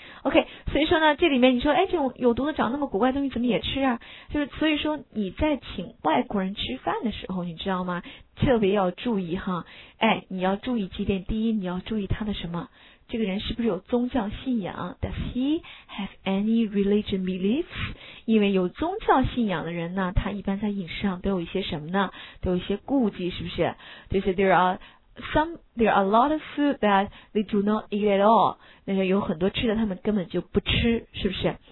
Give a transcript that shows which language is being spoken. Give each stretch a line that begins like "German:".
Chinese: OK， 所以说呢，这里面你说哎，这种有毒的长那么古怪的东西怎么也吃啊，就是所以说你在请外国人吃饭的时候，你知道吗，特别要注意哈，哎，你要注意几点。第一，你要注意他的什么，这个人是不是有宗教信仰？
English: Does he have any religion beliefs?
Chinese: 因为有宗教信仰的人呢，他一般在饮食上都有一些什么呢？都有一些顾忌，是不是？就是
English: there are a lot of food that they do not eat at all.
Chinese: 那就有很多吃的他们根本就不吃，是不是？